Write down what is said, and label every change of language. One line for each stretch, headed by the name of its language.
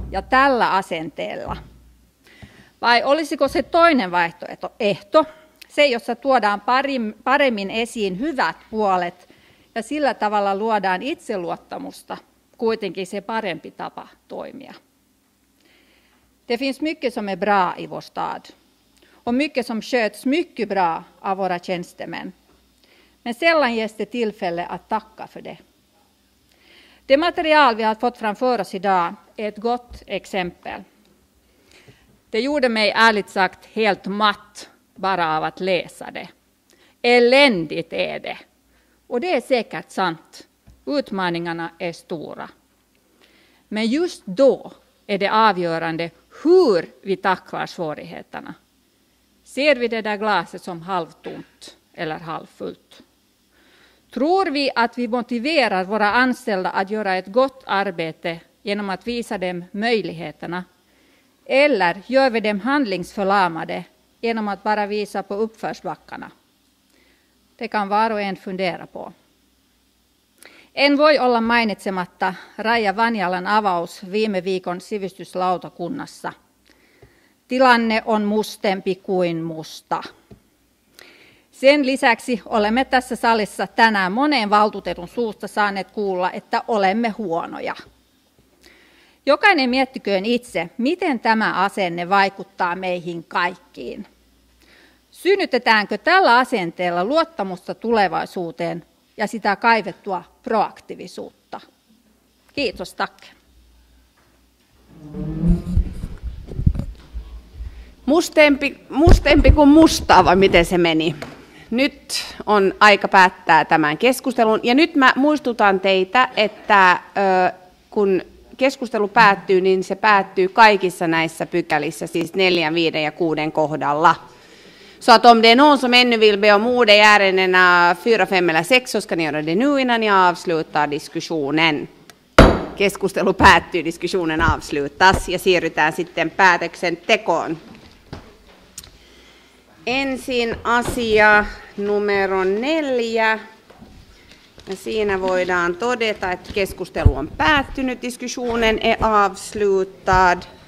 Finnish: ja tällä asenteella? Vai olisiko se toinen vaihtoehto, se, jossa tuodaan paremmin esiin hyvät puolet ja sillä tavalla luodaan itseluottamusta, kuitenkin se parempi tapa toimia?
Swedish: Det finns mycket som är bra i vår stad och mycket som sköts mycket bra av våra tjänstemän. Men sällan ges det tillfälle att tacka för det. Det material vi har fått framför oss idag är ett gott exempel. Det gjorde mig ärligt sagt helt matt bara av att läsa det. Eländigt är det. Och det är säkert sant. Utmaningarna är stora. Men just då är det avgörande hur vi tacklar svårigheterna. Ser vi det där glaset som halvtomt eller halvfullt? Tror vi att vi motiverar våra anställda att göra ett gott arbete genom att visa dem möjligheterna? Eller gör vi dem handlingsförlamade genom att bara visa på uppförsbackarna? Det kan var och en fundera på.
Finnish: En voi olla mainitsematta Raija Vanjalan avaus viime viikon sivistyslautakunnassa. Tilanne on mustempi kuin musta. Sen lisäksi olemme tässä salissa tänään moneen valtuutetun suusta saaneet kuulla, että olemme huonoja. Jokainen miettiköön itse, miten tämä asenne vaikuttaa meihin kaikkiin. Synnytetäänkö tällä asenteella luottamusta tulevaisuuteen ja sitä kaivettua proaktiivisuutta? Kiitos, Takke. Mustempi kuin mustaa, vai miten se meni? Nyt on aika päättää tämän keskustelun. Ja nyt mä muistutan teitä, että kun keskustelu päättyy, niin se päättyy kaikissa näissä pykälissä, siis 4, 5 ja 6 kohdalla.
Swedish: Så att om det är någon som ännu vill be om ord i ärendena 4, 5 eller 6 så ska ni göra det nu innan ni avslutar diskussionen.
Finnish: Keskustelu päättyy,
Swedish: diskussionen avslutas
Finnish: ja siirrytään sitten päätöksen tekoon. Ensin asia numero 4. Ja siinä voidaan todeta, että keskustelu on päättynyt,
Swedish: diskussionen är avslutad.